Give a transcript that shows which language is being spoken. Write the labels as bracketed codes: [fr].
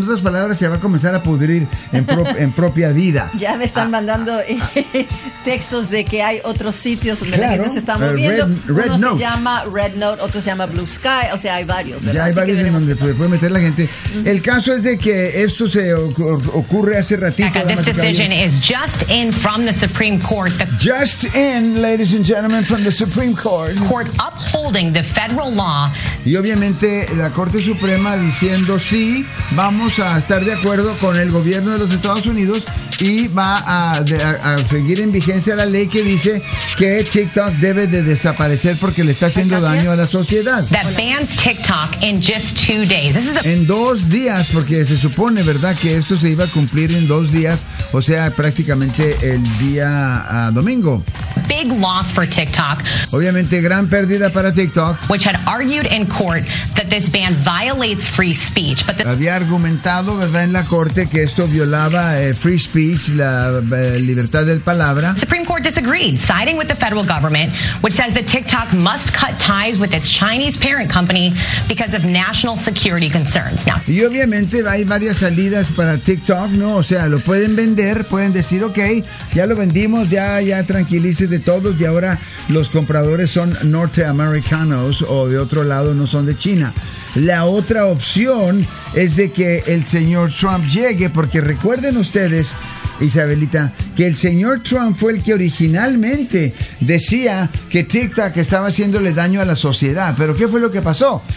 [es] En otras palabras, se va a comenzar a pudrir en propia vida. Ya me están mandando textos de que hay otros sitios donde, claro, la gente se está moviendo. [en] Red [es] Uno [en] Note. [es] Se llama Red Note, otro se llama Blue Sky, o sea, hay varios, ¿verdad? Ya hay varios en donde puede meter la gente. Uh-huh. El caso es de que esto se ocurre hace ratito. [en] This decision is just in from the Supreme Court. Just in, ladies and gentlemen, from the Supreme Court. Court upholding the federal law. [es] Y obviamente la Corte Suprema diciendo sí, vamos a estar de acuerdo con el gobierno de los Estados Unidos y va a seguir en vigencia la ley que dice que TikTok debe de desaparecer porque le está haciendo daño a la sociedad. [en] That bans TikTok in just 2 days. [es] En 2 días, porque se supone, ¿verdad?, que esto se iba a cumplir en 2 días, o sea, prácticamente el día domingo. [en] Big loss for TikTok. [es] Obviamente, gran pérdida para TikTok. [en] Which had argued in court that this ban violates free speech. But [es] había argumentado, ¿verdad?, en la corte que esto violaba free speech, la libertad de palabra. [en] Supreme Court disagreed, siding with the federal government, which says that TikTok must cut ties with its Chinese parent company because of national security concerns. Now, [es] y obviamente hay varias salidas para TikTok, ¿no? O sea, lo pueden vender, pueden decir, ok, ya lo vendimos, ya tranquilice de todos, y ahora los compradores son norteamericanos o de otro lado, no son de China. La otra opción es de que el señor Trump llegue, porque recuerden ustedes, Isabelita, que el señor Trump fue el que originalmente decía que TikTok estaba haciéndole daño a la sociedad. ¿Pero qué fue lo que pasó?